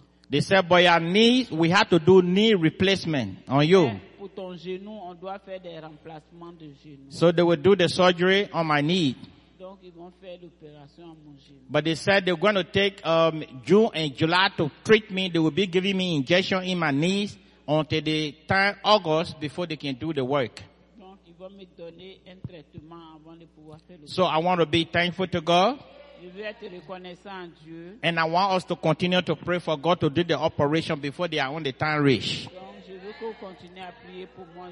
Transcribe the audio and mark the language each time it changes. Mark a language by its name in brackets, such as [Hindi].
[English] They said, but your knees, we have to do knee replacement on you. [French] Pour ton genou, on doit faire des remplacements de genou. [English] So they will do the surgery on my knee. [French] Donc, ils vont faire l'opération à mon genou. [English] But they said they're going to take June and July to treat me. They will be giving me injection in my knees. Until the time August before they can do the work. [French] Donc, ils vont me donner un traitement avant de pouvoir faire le [English] so I want to be thankful to God. [French] Je veux être reconnaissant à Dieu. [English] And I want us to continue to pray for God to do the operation before they are on the time reach. [French] Donc, je veux qu'on continue à prier pour moi,